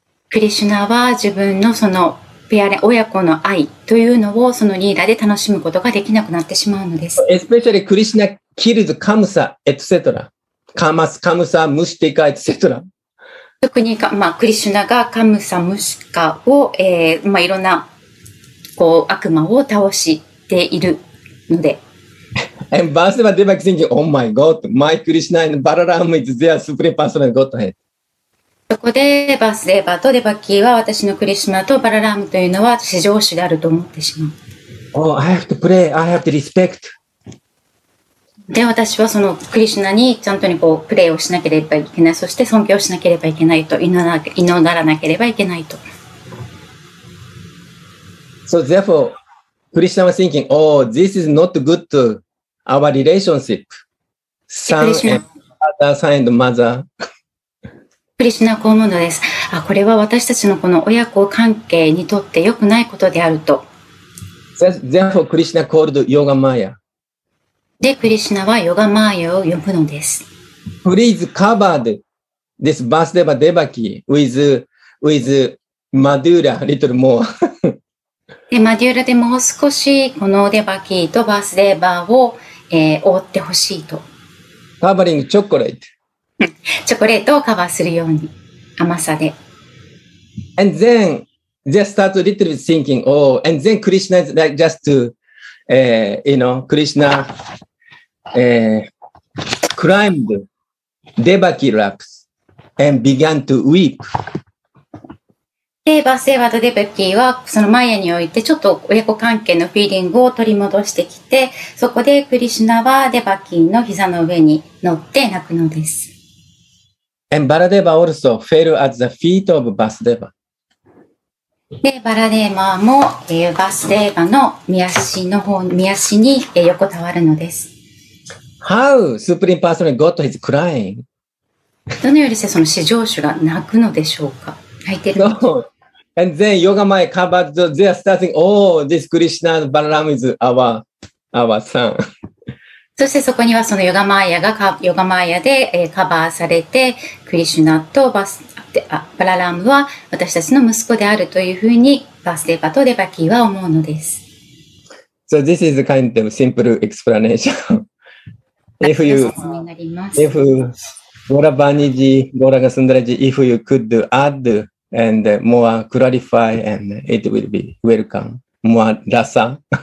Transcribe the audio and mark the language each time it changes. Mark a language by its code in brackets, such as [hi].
[ja] クリシュナは自分のそのペアレ親子の愛というのをそのリーダーで楽しむことができなくなってしまうのです [en] Especially クリシュナ kills カムサ etc. カマスカムサムシティカ etc. [ja] 特にか、まあ、クリシュナがカムサムシカを、まあ、いろんなこう悪魔を倒しているので。 [en] And Vasudeva Devaki thinking, oh my god, my Krishna and Balarama is their supreme personal godhead. [ja] そこで、Vasudeva とデバキは私のクリシュナとバララームというのは至上主であると思ってしまう。 [en] Oh, I have to pray, I have to respect. [ja] で私はそのクリシュナにちゃんとにこうプレイをしなければいけないそして尊敬をしなければいけないと祈らなければいけないと [en] So therefore クリシュナは thinking Oh this is not good to our relationship Son and father, son and mother [ja] クリシュナはこう思うのですあこれは私たちのこの親子関係にとって良くないことであると [en] So therefore クリシュナ called Yoga Maya. [ja] で、クリシュナはヨガマーヤを呼ぶのです。 [en] Please cover this Vasudeva Devaki with Madhura a little more. [ja] で、マデューラでもう少しこのデバキとバースデーバーを、覆ってほしいと。 [en] Covering chocolate. [ja] チョコレートをカバーするように、甘さで。 [en] And then, they start a little bit thinking, oh, and then Krishna is like just to,、you know, Krishna,climbed Devaki laps and began to weep. [ja] で、バスデーバとデバキはそのマヤにおいてちょっと親子関係のフィーリングを取り戻してきて、そこでクリシュナはデバキの膝の上に乗って泣くのです。 [en] And Baladeva also fell at the feet of Vasudeva. [ja] で、バラデーマも、バスデーバの宮足に、横たわるのです。 [en] How Supreme Personality Godhead is crying? [ja] どのようにしてその至上主が泣くのでしょうか泣いてるの [en] No. And then Yoga Maya covered, they are starting, oh, this Krishna Balarama is our son. [ja] そしてそこにはそのヨガマーヤがヨガマーヤでカバーされて、クリシュナとバラームは私たちの息子であるというふうにバスデーバとデバキーは思うのです。 [en] So this is kind of simple explanation. If you, if Gora Baniji, Gora Gasundaraji, if you could add and more clarify, and it will be welcome. More rasa.